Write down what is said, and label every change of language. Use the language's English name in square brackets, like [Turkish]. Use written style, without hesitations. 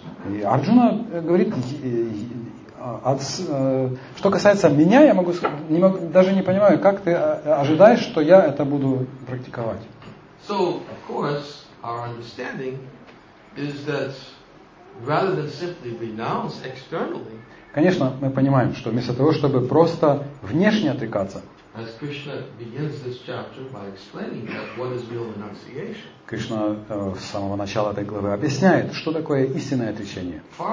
[Russian] И Арджуна говорит, что касается меня, я могу даже не понимаю, как ты ожидаешь, что я это буду практиковать. [English] So, of course, our understanding is that rather than simply renounce externally. [Russian] Конечно, мы понимаем, что вместо того, чтобы просто внешне отрекаться, Кришна с самого начала этой главы объясняет, что такое истинное отречение.